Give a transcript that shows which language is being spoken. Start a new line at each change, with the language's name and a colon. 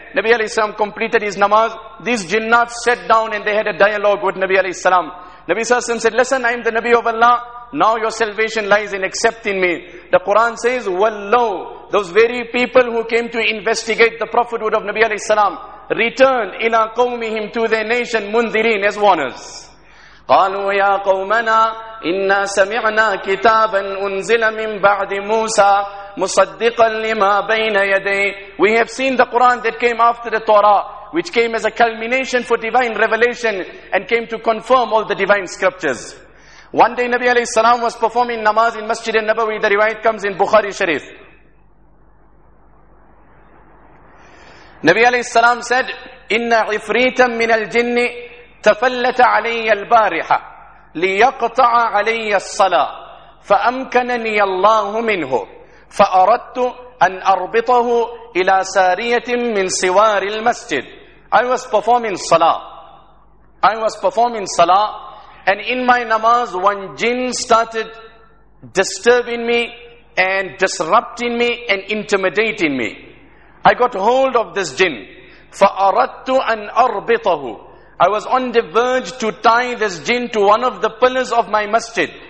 English: Nabi alayhi salam completed his namaz. These jinnat sat down and they had a dialogue with Nabi alayhi salam. Nabi sallallahu alayhi salam said, listen, I am the Nabi of Allah. Now your salvation lies in accepting me. The Quran says, wallow. those very people who came to investigate the prophethood of Nabi alayhi salam returned
Arabic: ila qawmihim
English: to their nation mundirin as warners.
Arabic: قالوا يا قومنا إنا سمعنا كتابا أنزل من بعد موسى مصدقا لما بين يديه.
English: We have seen the Quran that came after the Torah, which came as a culmination for divine revelation and came to confirm all the divine scriptures. One day Nabi alayhi salam was performing namaz in Masjid al-Nabawi. The riwayat comes in Bukhari Sharif. Nabi alayhi salam said,
Arabic: Inna ifritan min al-jinni تفلت علي البارحة ليقطع علي الصلاة فأمكنني الله منه فأردت أن أربطه إلى سارية من سوار المسجد.
English: I was performing salah, and in my namaz one jinn started disturbing me and disrupting me and intimidating me. I got hold of this jinn.
Arabic: فأردت أن أربطه.
English: I was on the verge to tie this jinn to one of the pillars of my masjid.